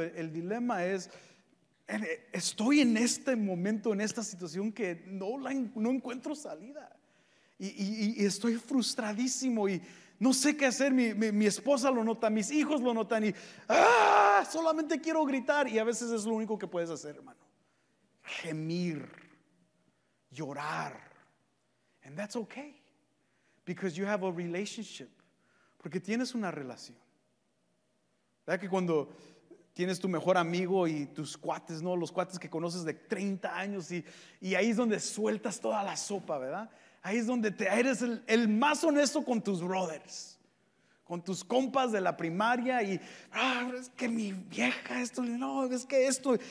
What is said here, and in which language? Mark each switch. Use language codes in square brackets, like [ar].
[es] El dilema es, estoy en este momento, en esta situación que no encuentro salida. Y estoy frustradísimo y no sé qué hacer, mi esposa lo nota, mis hijos lo notan y ¡ah! Solamente quiero gritar. Y a veces es lo único que puedes hacer, hermano. Gemir, llorar. [en] And that's okay, because you have a relationship. [es] Porque tienes una relación. ¿Verdad que cuando tienes tu mejor amigo y tus cuates, ¿no? Los cuates que conoces de 30 años y ahí es donde sueltas toda la sopa, ¿verdad? Ahí es donde eres el más honesto con tus brothers, con tus compas de la primaria y es que mi vieja esto, no, es que esto.